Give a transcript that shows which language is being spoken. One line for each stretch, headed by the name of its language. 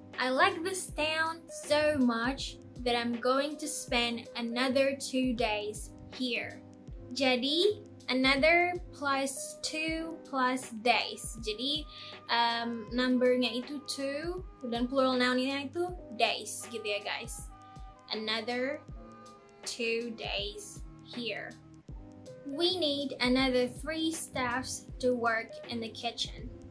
English: I like this town so much that I'm going to spend another 2 days here. Jadi another plus 2 plus days.
Indonesian: Jadi numbernya itu 2 dan plural nouninya itu days gitu ya guys.
English: Another 2 days here. We need another 3 staffs to work in the kitchen.